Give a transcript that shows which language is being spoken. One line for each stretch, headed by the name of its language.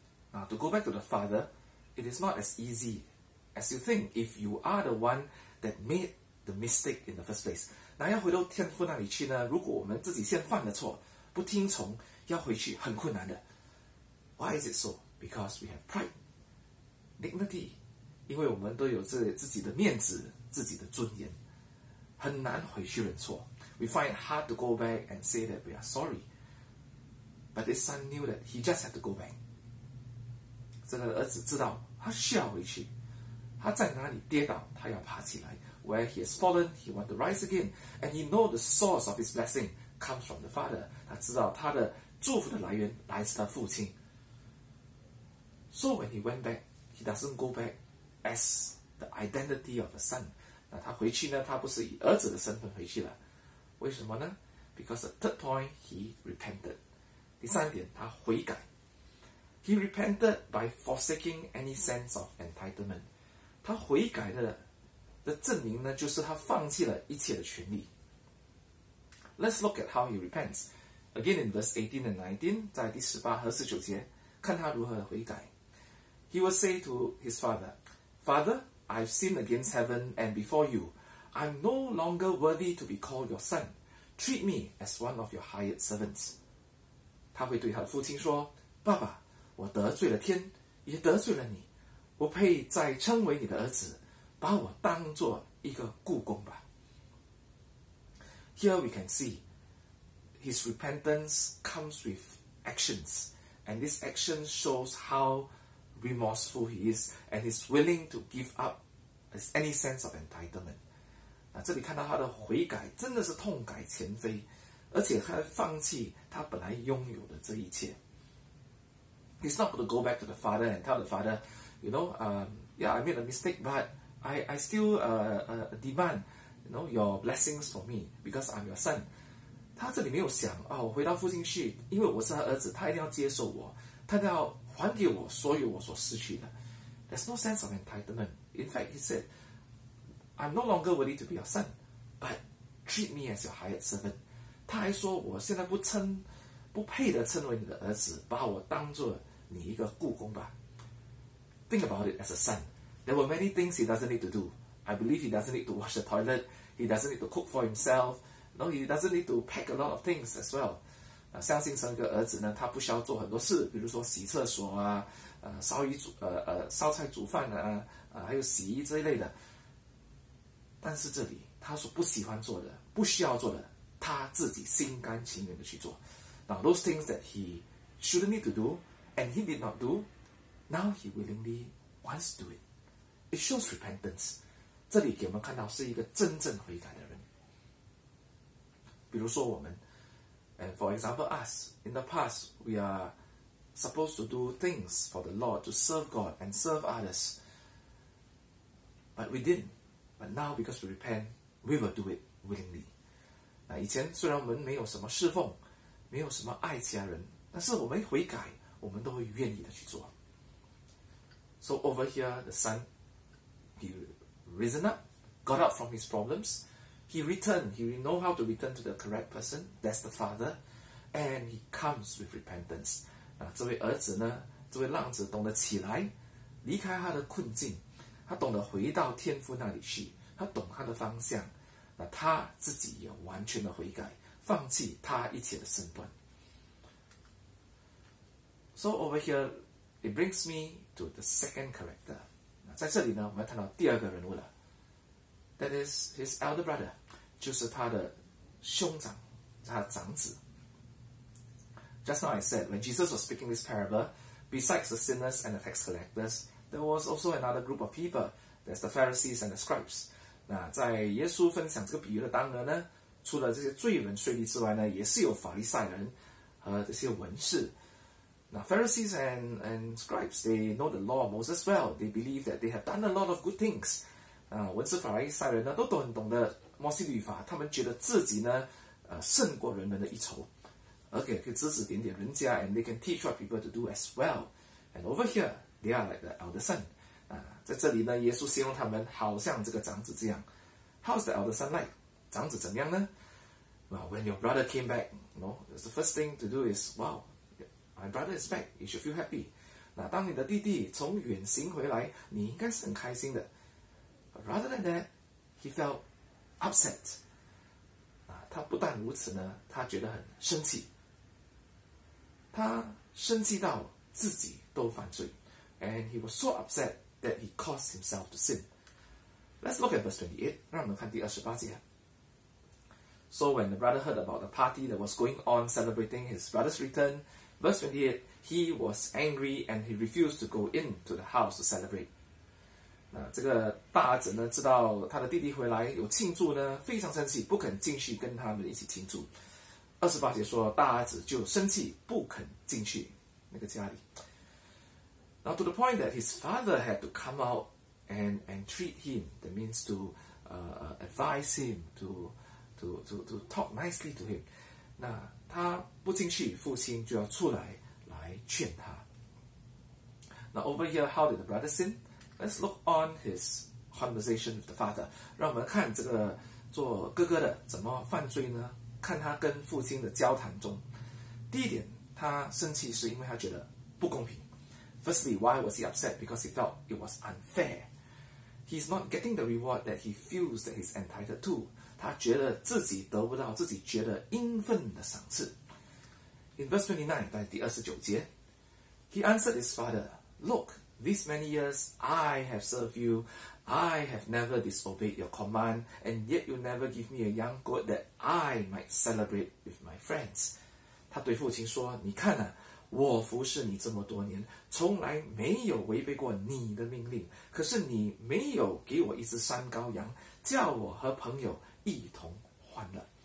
English: Now, to go back to the father, it is not as easy as you think if you are the one that made the mistake in the first place.
Chinese: 那要回到天父那里去呢, 如果我们自己先犯了错, 不听从, 要回去, 很困难的。
English: Why is it so? Because we have pride, dignity,
Chinese: 因为我们都有自己的面子, 自己的尊严, 很难回去认错。
English: We find it hard to go back and say that we are sorry. But this son knew that he just had to go back.
Chinese: 这个儿子知道, 他需要回去, 他在哪里跌倒, 他要爬起来。
English: Where he has fallen, he wants to rise again. And he knows the source of his blessing comes from the Father.
Chinese: 他知道他的祝福的来源来自他父亲。
English: So when he went back, he doesn't go back as the identity of a son.
Chinese: 那他回去呢, 他不是以儿子的身份回去了。为什么呢?
English: Because the third point, he repented.
Chinese: 第三点, 他悔改。
English: He repented by forsaking any sense of entitlement.
Chinese: 他悔改的证明呢, 就是他放弃了一切的权利。
English: Let's look at how he repents. Again in verse 18 and 19,
Chinese: 在第18和19节, 看他如何悔改。
English: He will say to his father, Father, I've sinned against heaven and before you. I'm no longer worthy to be called your son. Treat me as one of your hired servants.
Chinese: 他会对他的父亲说, 爸爸, 我得罪了天, 也得罪了你, 我配再称为你的儿子, 把我当作一个故宫吧。
English: Here we can see his repentance comes with actions, and this action shows how remorseful he is, and he's willing to give up any sense of entitlement.
Chinese: 那这里看到他的悔改真的是痛改前非, 而且他放弃他本来拥有的这一切。
English: He's not going to go back to the father and tell the father, you know, yeah, I made a mistake, but I still demand, you know, your blessings for me because I'm your son.
Chinese: 他这里没有想，哦，回到父亲去， 因为我是他儿子， 他一定要接受我， 他要还给我所有我所失去的。
English: There's no sense of entitlement. In fact, he said, I'm no longer worthy to be your son, but treat me as your hired servant. 他还说，我现在不配的称为你的儿子， 把我当作你一个雇工吧。 Think about it as a son. There were many things he doesn't need to do. I believe he doesn't need to wash the toilet. He doesn't need to cook for himself. No, he doesn't need to pack a lot of things as well.
Chinese: 相信成个儿子呢, 他不需要做很多事, 比如说洗厕所啊, 烧菜煮饭啊, 还有洗衣这一类的。 但是这里, 他所不喜欢做的，不需要做的，他自己心甘情愿的去做。
English: Now those things that he shouldn't need to do and he did not do, now he willingly wants to do it. It shows repentance.
Chinese: 这里给我们看到是一个真正悔改的人。比如说我们
English: and for example us, in the past, we are supposed to do things for the Lord, to serve God and serve others. But we didn't. But now because we repent, we will do it willingly.
Chinese: 那以前虽然我们没有什么侍奉，没有什么爱其他人，但是我们悔改，我们都会愿意的去做。
English: So over here, the son, he risen up, got up from his problems, he returned, he know how to return to the correct person, that's the father, and he comes with repentance.
Chinese: 那这位儿子呢，这位浪子懂得起来，离开他的困境，他懂得回到天父那里去，他懂他的方向，那他自己也完全的悔改，放弃他一切的身段。
English: So over here, it brings me to the second character.
Chinese: 在这里呢，我们谈到第二个人物了。
English: That is his elder brother,
Chinese: 就是他的兄长，他的长子。
English: Just now I said, when Jesus was speaking this parable, besides the sinners and the tax collectors, there was also another group of people. There's the Pharisees and the scribes.
Chinese: 那在耶稣分享这个比喻的当儿呢，除了这些罪人税吏之外呢，也是有法利赛人和这些文士。
English: Now, Pharisees and scribes, they know the law of Moses well. They believe that they have done a lot of good things.
Chinese: 文士法利赛人呢，都很懂得摩西律法，他们觉得自己呢，胜过人们的一筹，而且可以指指点点人家，
English: and they can teach what people to do as well. And over here, they are like the elder son.
Chinese: 在这里呢，耶稣形容他们好像这个长子这样。
English: How's the elder son like?
Chinese: 长子怎么样呢？
English: Well, when your brother came back, you know, the first thing to do is, wow, my brother is back, you should feel happy.
Chinese: 那当你的弟弟从远行回来，你应该是很开心的。
English: But rather than that, he felt upset.
Chinese: 他不但如此呢，他觉得很生气。他生气到自己都犯罪。
English: And he was so upset that he caused himself to sin. Let's look at verse 28,
Chinese: 让我们看第28节。
English: So when the brother heard about the party that was going on celebrating his brother's return, verse 28, he was angry and he refused to go into the house to celebrate.
Chinese: 那这个大儿子呢，知道他的弟弟回来有庆祝呢，非常生气，不肯进去跟他们一起庆祝。 28节说，大儿子就生气，不肯进去那个家里。
English: Now to the point that his father had to come out and treat him, that means to advise him to talk nicely to him.
Chinese: 那他不进去，父亲就要出来来劝他。
English: Now over here, how did the brother sin? Let's look on his conversation with the father.
Chinese: 让我们看这个做哥哥的怎么犯罪呢？看他跟父亲的交谈中。第一点，他生气是因为他觉得不公平。
English: Firstly, why was he upset? Because he felt it was unfair. He's not getting the reward that he feels that he's entitled to.
Chinese: 他觉得自己得不到自己觉得应分的赏赐。
English: In verse 29,
Chinese: 在第29节
English: He answered his father, Look, these many years I have served you, I have never disobeyed your command, and yet you never give me a young goat that I might celebrate with my friends.
Chinese: 他对父亲说，你看啊，我服侍你这么多年，从来没有违背过你的命令，可是你没有给我一只山羔羊，叫我和朋友一同欢乐。